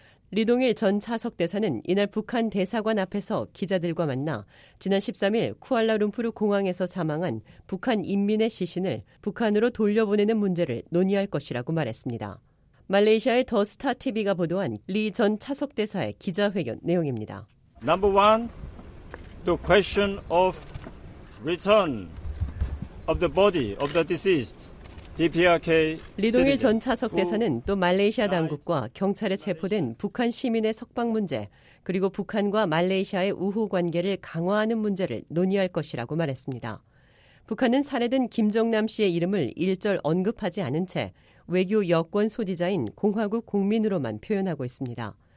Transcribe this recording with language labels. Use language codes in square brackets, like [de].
[ko] 리동일 전 차석 대사는 이날 북한 대사관 앞에서 기자들과 만나 지난 13일 쿠알라룸푸르 공항에서 사망한 북한 인민의 시신을 북한으로 돌려보내는 문제를 논의할 것이라고 말했습니다. 말레이시아의 더 스타 TV가 보도한 리 전 차석 대사의 기자회견 내용입니다. [en] Number one, the question of return of the body of the deceased. DPRK [ko] 리동일 전 차석 대사는 또 말레이시아 당국과 경찰에 체포된 북한 시민의 석방 문제 그리고 북한과 말레이시아의 우호 관계를 강화하는 문제를 논의할 것이라고 말했습니다. 북한은 살해된 김정남 씨의 이름을 일절 언급하지 않은 채 외교 여권 소지자인 공화국 국민으로만 표현하고 있습니다.